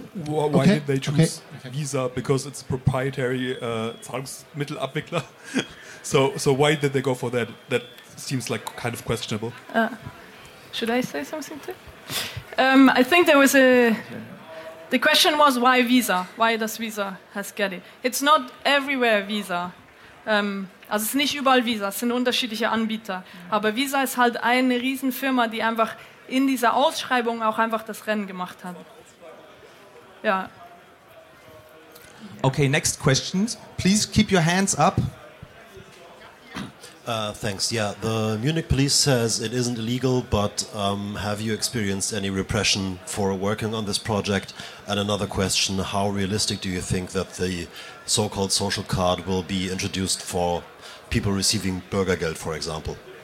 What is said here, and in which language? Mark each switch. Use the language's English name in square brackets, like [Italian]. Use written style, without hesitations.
[English] Why did they choose Visa? Because it's proprietary Zahlungsmittelabwickler. So why did they go for that? That seems like kind of questionable. Should I say something too? I think there was a... The question was why Visa? Why does Visa has get it? It's not everywhere Visa. [German] Also es ist nicht überall Visa, es sind unterschiedliche Anbieter. Aber Visa ist halt eine Riesenfirma, die einfach in dieser Ausschreibung auch einfach das Rennen gemacht hat. Ja. [English] Okay, next questions. Please keep your hands up. Thanks. Yeah, the Munich police says it isn't illegal, but have you experienced any repression for working on this project? And another question, how realistic do you think that the so-called social card will be introduced for people receiving Bürgergeld, for example?